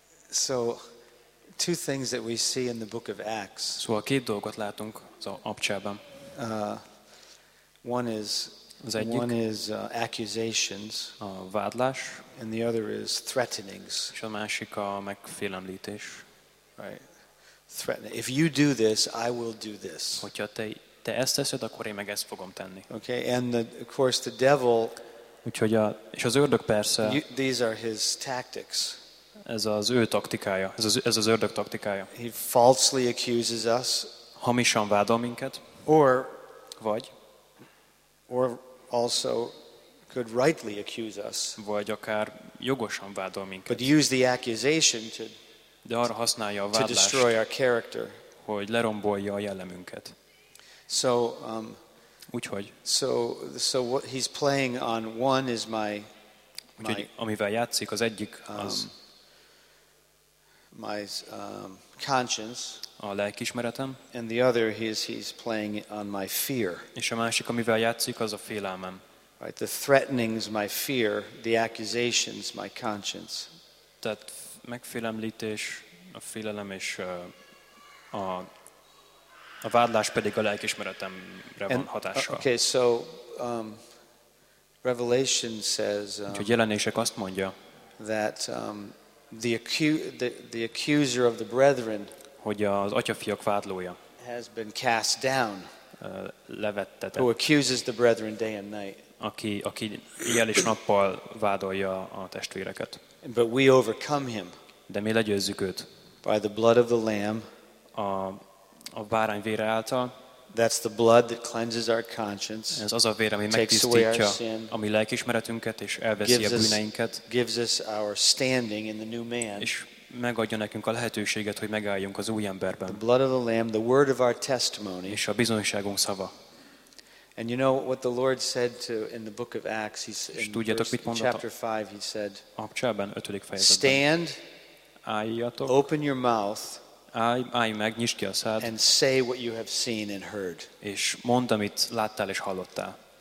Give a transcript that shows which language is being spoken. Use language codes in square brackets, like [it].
[en] So two things that we see in the book of Acts. [hu] Szóval két dolgot látunk az Apcsában. [en] One is accusations, [hu] a vádlás, [en] and the other is threatenings. [hu] És a másik a megfélemlítés. [en] Right. Threatening. If you do this, I will do this. [hu] Hogyha te ezt teszed, akkor én meg ezt fogom tenni. [en] Okay, and of course the devil. [hu] Úgyhogy és az ördög persze. [en] These are his tactics. [hu] Ez az ő taktikája. Ez az ördög taktikája. [en] He falsely accuses us. [hu] Hamisan vádol minket. [en] Or also could rightly accuse us. [hu] Vagy akár jogosan vádol minket. [en] But use the accusation to. [hu] De arra használja a vádlást, [en] to destroy our character. [hu] Hogy lerombolja a jellemünket. [en] So [hu] úgyhogy. [en] So what he's playing on one is my. [hu] Úgyhogy, amivel játszik, az egyik az. [en] My conscience. [hu] A lelkiismeretem. [en] And the other he's playing on my fear. [hu] És a másik, amivel játszik, az a félelmem. [en] Right, the threatenings, my fear, the accusations, my conscience. [hu] Tehát megfélemlítés, a félelem és a vádlás pedig a lelkiismeretemre van hatással. [en] Okay, so Revelation says. [hu] Úgyhogy Jelenések azt mondja. [en] That the accuser of the brethren, [hu] hogy az atyafiak vádlója, [en] has been cast down, [hu] levettetett, [en] who accuses the brethren day and night, [hu] aki éjjel és nappal vádolja a testvéreket, [en] but we overcome him, [hu] de mi legyőzzük őt, [en] by the blood of the lamb, [hu] a bárány vére által, [en] that's the blood that cleanses our conscience, [hu] ez az a vér, ami megtisztítja a mi lelkiismeretünket és elveszi a bűneinket, [en] gives us our standing in the new man, [hu] és megadja nekünk a lehetőséget, hogy megálljunk az új emberben. [en] The blood of the lamb, the word of our testimony, [hu] és a bizonyságunk szava. [en] And you know what the Lord said to in the book of Acts, he said, [hu] és tudjátok, mit mondott [en] chapter 5, he said, [hu] Apcsában, 5. fejezetben, [en] stand, [hu] álljatok, [en] open your mouth, [hu] állj meg, nyisd ki a szád, [en] and say what you have seen and heard, [hu] és mondd, amit láttál és hallottál.